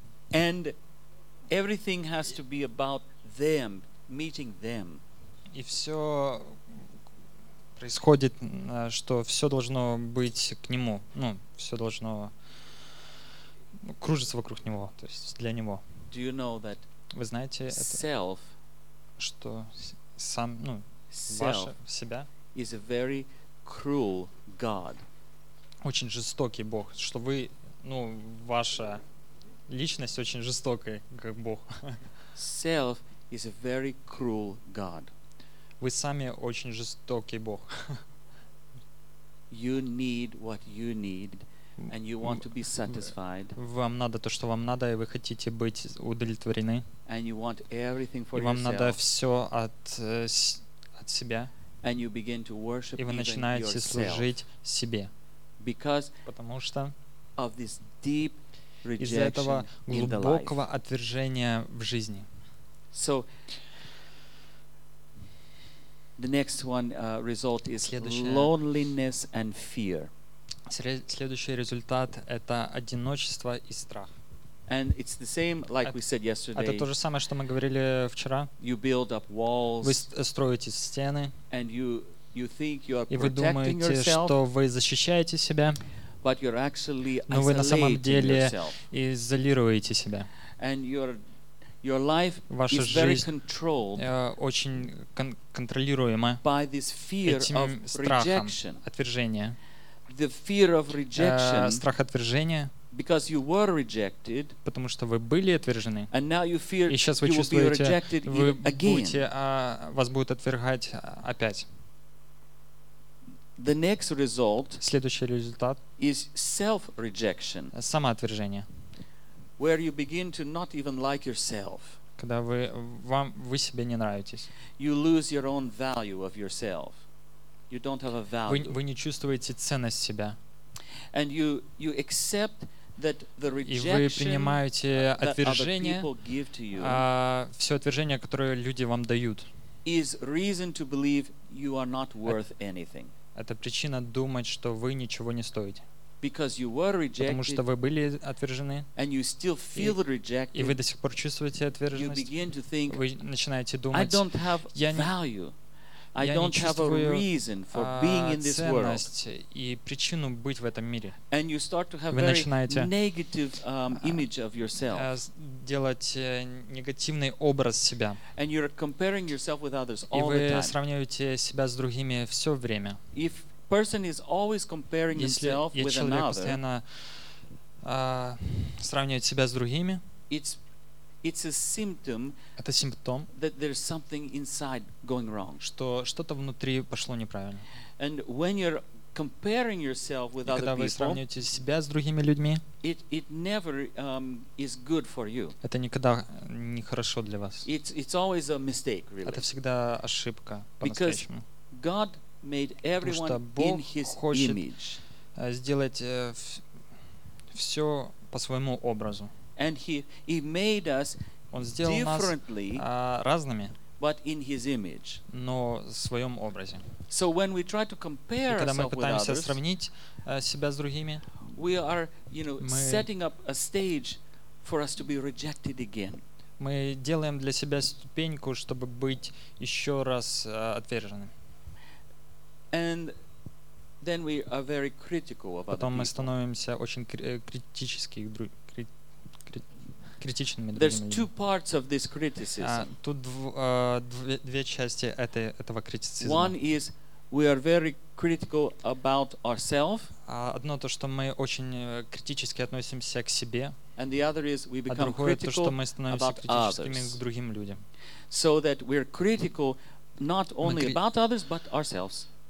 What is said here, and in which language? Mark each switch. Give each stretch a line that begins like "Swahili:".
English: And everything has to be about them, meeting them.
Russian: И все происходит, что все должно быть к нему. Ну, все должно кружится вокруг него, то есть для него.
English: Do you know that
Russian: вы знаете это,
English: self,
Russian: что сам, ну, ваше, себя
English: is a very cruel God.
Russian: Очень жестокий Бог, что вы, ну, ваша личность очень жестокая, как Бог.
English: Self is a very cruel God.
Russian: Вы сами очень жестокий Бог.
English: You need what you need. And you want to be satisfied.
Russian: Вам надо то, что вам надо, и вы хотите быть удовлетворены.
English: And you want everything for yourself.
Russian: И вам надо все от себя.
English: And you begin to worship even yourself.
Russian: И вы начинаете служить себе.
English: Because
Russian: потому что
English: of this deep rejection in the life.
Russian: Из-за этого глубокого отвержения в жизни.
English: So the next one result is
Russian: следующее.
English: Loneliness and fear.
Russian: Следующий результат — это одиночество и страх.
English: And it's the same, like we said yesterday.
Russian: Это то же самое, что мы говорили вчера.
English: You build up walls.
Russian: Вы строите стены.
English: And you think you are
Russian: и вы думаете,
English: yourself,
Russian: что вы защищаете себя.
English: But you're actually
Russian: но вы на самом деле
English: yourself.
Russian: Изолируете себя.
English: And your life
Russian: ваша
English: is
Russian: жизнь
English: very controlled
Russian: очень контролируема
English: by this fear
Russian: этим
English: of
Russian: страхом
English: rejection.
Russian: Отвержения.
English: The fear of rejection,
Russian: страх отвержения,
English: because you were rejected,
Russian: потому что вы были отвержены,
English: and now you fear
Russian: и сейчас вы
English: you
Russian: чувствуете,
English: will be rejected
Russian: вы
English: again.
Russian: Будете, вас будут отвергать опять.
English: The next result
Russian: Следующий результат
English: is self-rejection.
Russian: Самоотвержение.
English: Where you begin to not even like yourself.
Russian: Когда вы себе не нравитесь.
English: You lose your own value of yourself. You don't have a value.
Russian: Вы не чувствуете ценность себя.
English: And you accept that the rejection
Russian: И вы принимаете отвержение,
English: that other people give to you,
Russian: все отвержение, которое люди вам дают.
English: Is reason to believe you are not worth anything.
Russian: Это причина думать, что вы ничего не стоите.
English: Because you were rejected,
Russian: потому что вы были отвержены,
English: and you still feel rejected,
Russian: и вы до сих пор чувствуете отверженность.
English: You begin to think,
Russian: вы начинаете думать,
English: I don't have value. I don't have a reason for being in this world.
Russian: И причину быть в этом мире.
English: And you start to have a negative image of yourself.
Russian: Делать негативный образ себя.
English: And you're comparing yourself with others all the time.
Russian: И вы сравниваете себя с другими все время.
English: If person is always comparing himself with another,
Russian: сравнивает себя с другими,
English: it's a symptom that there's something inside going wrong.
Russian: Что что-то внутри пошло неправильно.
English: And when you're comparing yourself with other people,
Russian: когда вы сравниваете себя с другими людьми,
English: it never is good for you.
Russian: Это никогда не хорошо для вас.
English: It's always a mistake, really.
Russian: Это всегда ошибка по-настоящему.
English: Because God made everyone in his image.
Russian: Сделать все по своему образу.
English: And he made us differently,
Russian: разными,
English: but in his image.
Russian: Но в своем образе.
English: So when we try to compare ourselves with others,
Russian: когда мы пытаемся сравнить себя с другими,
English: we are, you know, setting up a stage for us to be rejected again.
Russian: Мы делаем для себя ступеньку, чтобы быть еще раз отверженным.
English: And then we are very critical of
Russian: Потом
English: other
Russian: мы становимся очень критичными другими.
English: There's two parts of this criticism.
Russian: Тут две части этого критицизма.
English: One is we are very critical about ourselves.
Russian: Одно то, что мы очень критически относимся к себе.
English: And the other is we become critical about others.
Russian: К другим людям.
English: So that we are critical not only about others but ourselves.